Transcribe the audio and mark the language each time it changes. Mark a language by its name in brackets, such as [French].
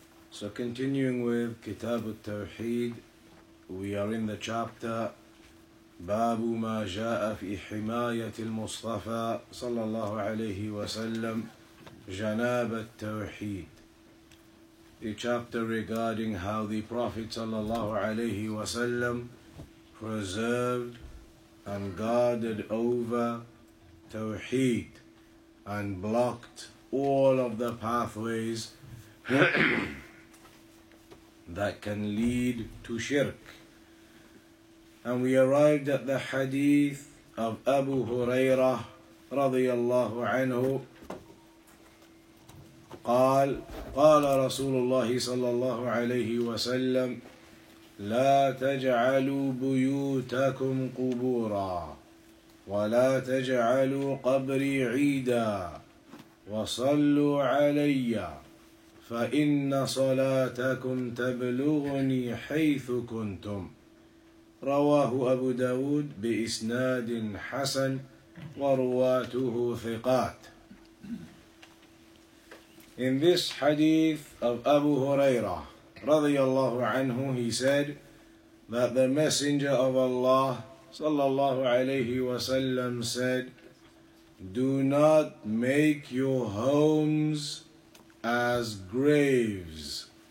[English] So continuing with [Arabic] كتاب التوحيد, [English] we are in the chapter [Arabic] باب ما جاء في حماية المصطفى صلى الله عليه وسلم جناب التوحيد. [English] The chapter regarding how the Prophet صلى الله عليه وسلم preserved and guarded over Tawheed and blocked all of the pathways that can lead to shirk. And we arrived at the hadith of Abu Hurairah radiyallahu anhu. [Arabic] قال رسول الله صلى الله عليه وسلم لا تجعلوا بيوتكم قبورا ولا تجعلوا قبري عيدا وصلوا علي فإن صلاتكم تبلغني حيث كنتم. رواه أبو داود بإسناد حسن ورواته ثقات. [English] In this hadith of Abu Hurairah radiyallahu anhu, he said that the Messenger of Allah sallallahu alayhi wa sallam said, do not make your homes as graves.